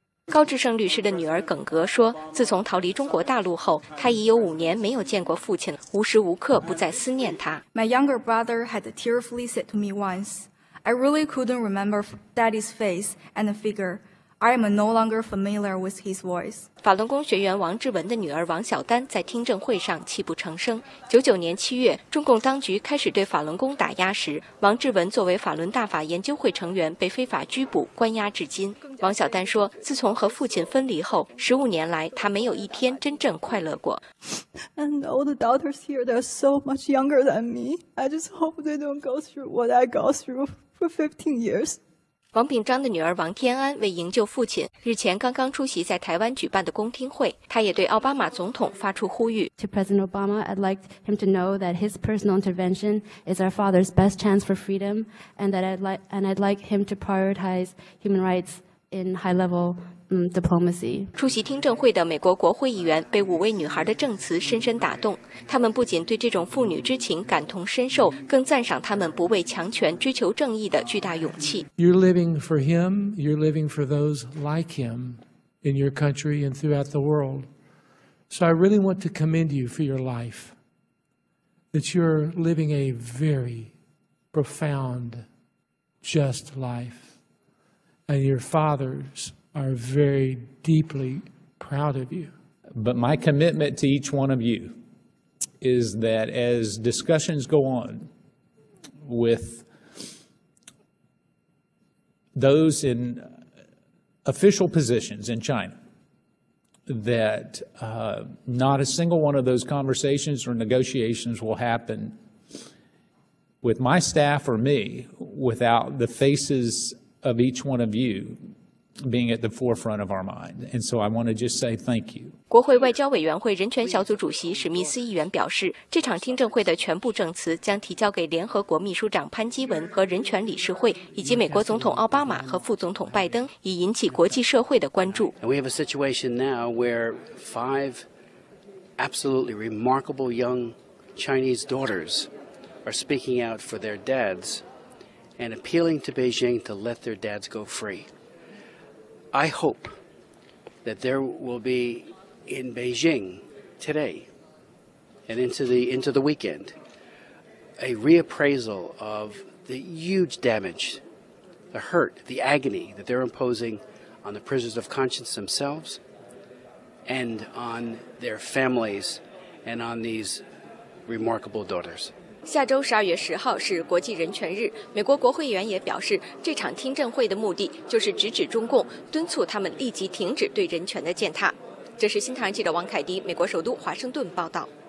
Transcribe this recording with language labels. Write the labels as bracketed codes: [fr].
[zh] 高志胜律师的女儿耿格说，自从逃离中国大陆后，她已有5年没有见过父亲，无时无刻不在思念他。 [en] My younger brother had tearfully said to me once, I really couldn't remember daddy's face and figure. I am no longer familiar with his voice. [zh] 法轮功学员王志文的女儿王小丹在听证会上泣不成声。 1999年7月，中共当局开始对法轮功打压时，王志文作为法轮大法研究会成员被非法拘捕关押至今。王小丹说，自从和父亲分离后，15年来他没有一天真正快乐过。 [en] And all the daughters here, they're so much younger than me. I just hope they don't go through what I go through for 15 years. [zh] 王秉章的女儿王天安为营救父亲日前刚刚出席在台湾举办的公听会，她也对奥巴马总统发出呼吁。 [en] To President Obama, I'd like him to know that his personal intervention is our father's best chance for freedom, and that I'd like him to prioritize human rights in high level diplomacy. [zh] 出席听证会的美国国会议员被五位女孩的证词深深打动，他们不仅对这种父女之情感同身受，更赞赏他们不畏强权、追求正义的巨大勇气。 [en] You're living for him, you're living for those like him in your country and throughout the world. So I really want to commend you for your life, that you're living a very profound, just life, and your father'sare very deeply proud of you. But my commitment to each one of you is that as discussions go on with those in official positions in China, that not a single one of those conversations or negotiations will happen with my staff or me without the faces of each one of you. being at the forefront of our mind. And so I want to just say thank you. [zh] 国会外交委员会人权小组主席史密斯议员表示，这场听证会的全部证词将提交给联合国秘书长潘基文和人权理事会，以及美国总统奥巴马和副总统拜登，以引起国际社会的关注。 [en] We have a situation now where five absolutely remarkable young Chinese daughters are speaking out for their dads and appealing to Beijing to let their dads go free. I hope that there will be in Beijing today and into the weekend a reappraisal of the huge damage, the hurt, the agony that they're imposing on the prisoners of conscience themselves and on their families and on these remarkable daughters. [zh] 下周12月10号是国际人权日，美国国会议员也表示，这场听证会的目的就是直指中共，敦促他们立即停止对人权的践踏。这是新唐人记者王凯迪，美国首都华盛顿报道。